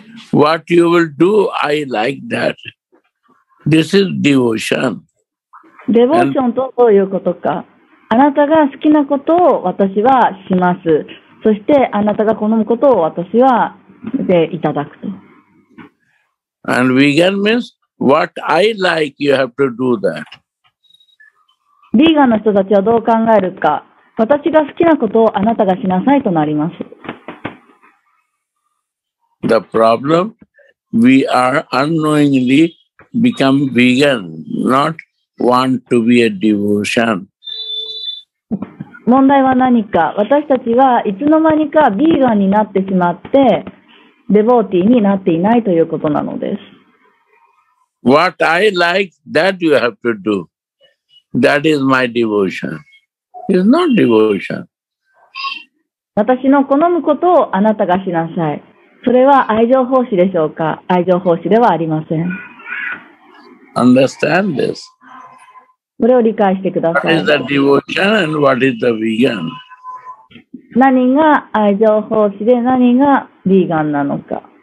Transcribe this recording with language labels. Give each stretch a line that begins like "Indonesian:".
English: What you will do, I like that. This is devotion.
Japanese: デボーションとどういうことか。あなたが好きなことを私はします。そしてあなたが好むことを私はでいただくと。
English: And vegan means what I like, you have to do that.
Japanese: ビーガンの人たちはどう考えるか。私が好きなことをあなたがしなさいとなります。
English: The problem, we are unknowingly become vegan, not want to be a devotion.
Japanese: 問題は何か。私たちはいつの間にかビーガンになってしまって、デボーティーになっていないということなのです。
English: What I like, that you have to do. That is my devotion. It's not devotion.
Japanese: 私の好むことをあなたがしなさい。それは愛情奉仕でしょうか？愛情奉仕ではありません。
English: Understand this.
Japanese: これを理解してください。
English: What is the devotion and what is the vegan?
Japanese: 何が愛情奉仕で何がヴィーガンなのか。